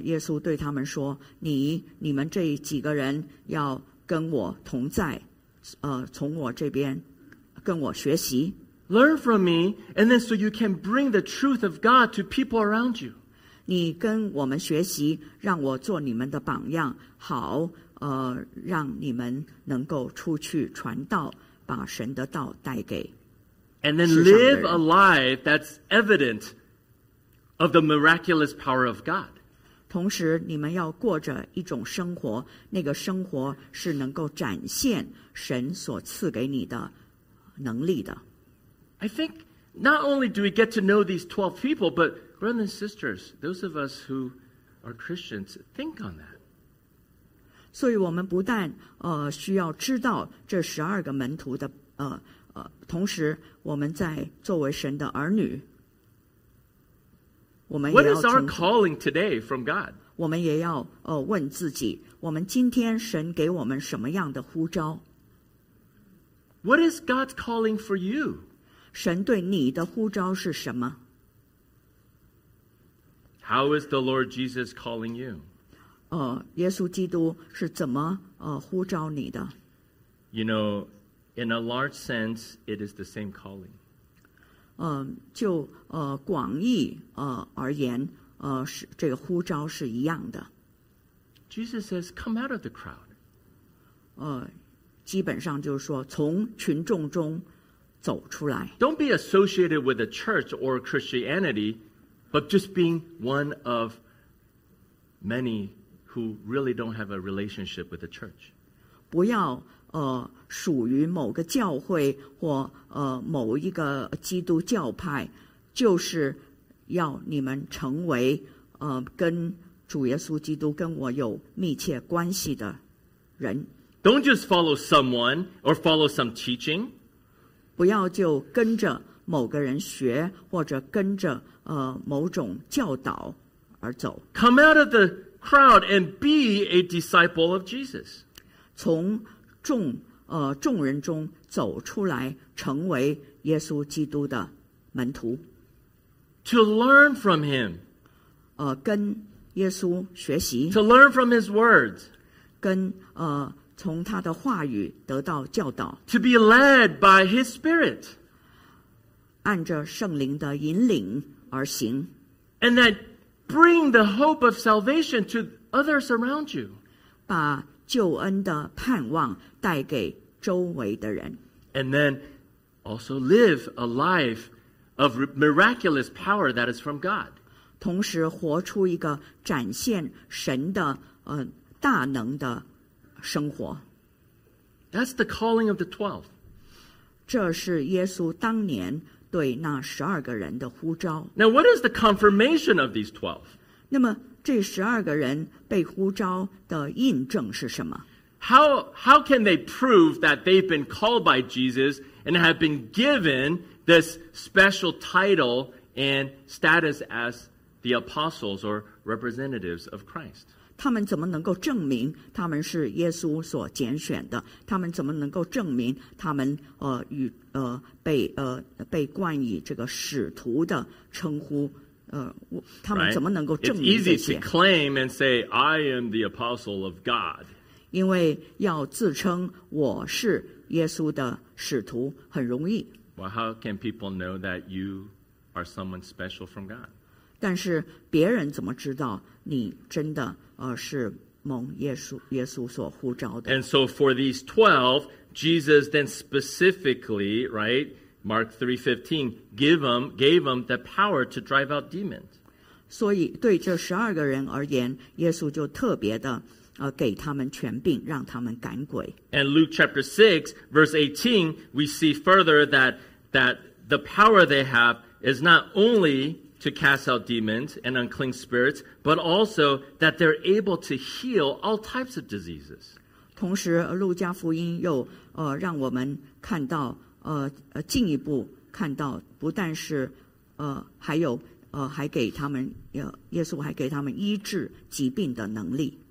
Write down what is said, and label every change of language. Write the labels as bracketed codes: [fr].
[zh] 耶稣对他们说，你们这几个人要跟我同在，从我这边跟我学习。 [en] Learn from me, and then so you can bring the truth of God to people around you. [zh] 你跟我们学习，让我做你们的榜样，好，让你们能够出去传道，把神的道带给世上的人。 [en] And then live a life that's evident of the miraculous power of God. [zh] 同时，你们要过着一种生活，那个生活是能够展现神所赐给你的能力的。 [en] I think not only do we get to know these 12 people, but brothers and sisters, those of us who are Christians, think on that. [zh] 所以我们不但需要知道这十二个门徒的同时我们在作为神的儿女，我们也要 [en] What is our calling today from God? [zh] 我们也要问自己，我们今天神给我们什么样的呼召？ [en] What is God's calling for you? [zh] 神对你的呼召是什么 [en] How is the Lord Jesus calling you? [zh] 耶稣基督是怎么呼召你的 [en] You know, in a large sense, it is the same calling. [zh] 就广义而言是这个呼召是一样的 [en] Jesus says, come out of the crowd. [zh] 基本上就是说从群众中走出来 [en] Don't be associated with a church or Christianity, but just being one of many who really don't have a relationship with the church. [zh] 不要属于某个教会或某一个基督教派，就是要你们成为跟主耶稣基督跟我有密切关系的人。 [en] Don't just follow someone or follow some teaching. [zh] 不要就跟着某个人学或者跟着某种教导而走 [en] Come out of the crowd and be a disciple of Jesus [zh] 从众人中走出来成为耶稣基督的门徒 [en] To learn from him [zh] 跟耶稣学习 [en] To learn from his words [zh] 跟从他的话语得到教导 [en] To be led by his spirit [zh] 按着圣灵的引领而行 [en] And that bring the hope of salvation to others around you [zh] 把救恩的盼望带给周围的人 [en] And then also live a life of miraculous power that is from God [zh] 同时活出一个展现神的大能的生活 [en] That's the calling of the 12. [zh] 这是耶稣当年对那十二个人的呼召 [en] Now what is the confirmation of these 12? [zh] 那么这十二个人被呼召的印证是什么？ [en] How can they prove that they've been called by Jesus and have been given this special title and status as the apostles or representatives of Christ? [zh] 他们怎么能够证明他们是耶稣所拣选的？他们怎么能够证明他们被冠以这个使徒的称呼？他们怎么能够证明这些？ [en] It's easy to claim and say, I am the apostle of God. [zh] 因为要自称我是耶稣的使徒很容易。 [en] Well, how can people know that you are someone special from God? [zh] 但是别人怎么知道你真的是蒙耶稣所呼召的？ [en] And so for these 12, Jesus then specifically, right, Mark 3:15, gave them the power to drive out demons. [zh] 所以对这十二个人而言，耶稣就特别的给他们权柄，让他们赶鬼。 [en] And Luke chapter 6, verse 18, we see further that the power they have is not only to cast out demons and unclean spirits, but also that they're able to heal all types of diseases. [zh] 同时，路加福音又让我们看到进一步看到，不但是还有还给他们耶稣还给他们医治疾病的能力。